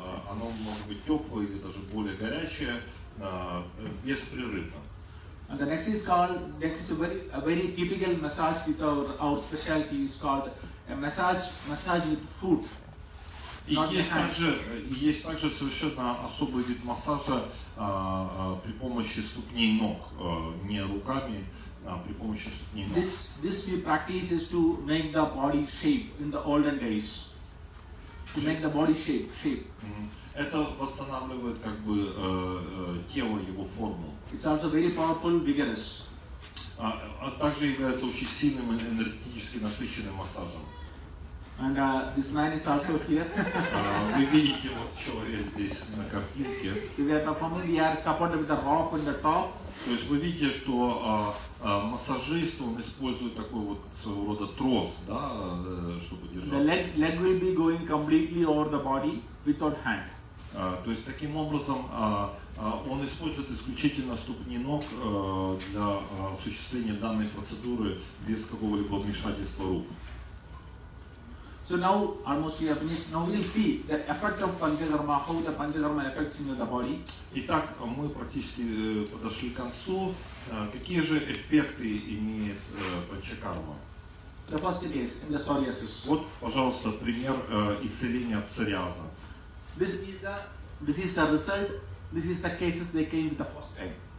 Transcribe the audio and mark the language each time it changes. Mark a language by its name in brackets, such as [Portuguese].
[Russian] Оно может быть теплое или даже более горячее, беспрерывно. [English] And the next is called, next is a very typical massage with our specialty is called a massage with food. [Russian] И есть также совершенно особый вид массажа при помощи ступней ног, не руками, а при помощи ступней ног. [English] This we practice is to make the body shape in the olden days. To make the body shape. [Russian] Это восстанавливает как бы тело, его форму. [English] It's also very powerful, vigorous. [Russian] А также является очень сильным и энергетически насыщенным массажем. [English] And this man is also here. [Russian] Вы видите вот человек здесь на картинке. [English] So we are performing, we are supported with a rope on the top. [Russian] То есть вы видите, что массажист, он использует такой вот своего рода трос, да, чтобы держаться. [English] The leg will be going completely over the body without hand. [Russian] То есть таким образом он использует исключительно ступни ног для осуществления данной процедуры без какого-либо вмешательства рук. [English] So now almost we have finished. Now we'll see the effect of Panchakarma, how the Panchakarma affects in the body. [Russian] Итак, мы практически подошли к концу. Какие же эффекты имеет Панчакарма? [English] The first case in the psoriasis. [Russian] Вот, пожалуйста, пример исцеления псориаза. [English] This is the result. This is the cases they came with the first aid.